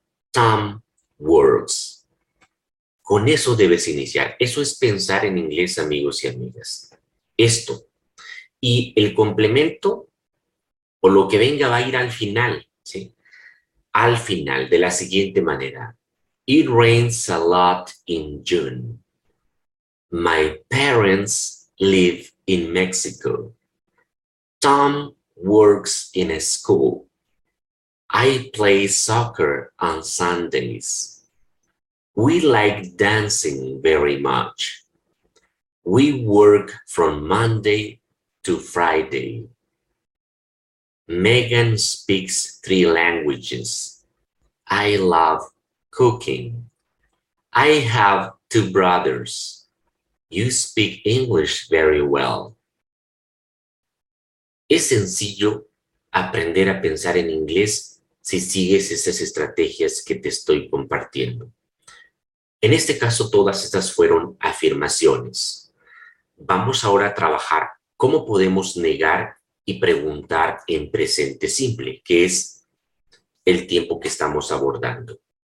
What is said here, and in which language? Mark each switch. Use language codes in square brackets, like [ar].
[en] Tom works. [es] Con eso debes iniciar. Eso es pensar en inglés, amigos y amigas. Esto. Y el complemento o lo que venga va a ir al final, ¿sí? Al final, de la siguiente manera. [en] It rains a lot in June. My parents live in Mexico. Tom works in a school. I play soccer on Sundays. We like dancing very much. We work from Monday to Friday. Megan speaks 3 languages. I love cooking. I have 2 brothers. You speak English very well. [es] Es sencillo aprender a pensar en inglés si sigues esas estrategias que te estoy compartiendo. En este caso, todas estas fueron afirmaciones. Vamos ahora a trabajar cómo podemos negar y preguntar en presente simple, que es el tiempo que estamos abordando.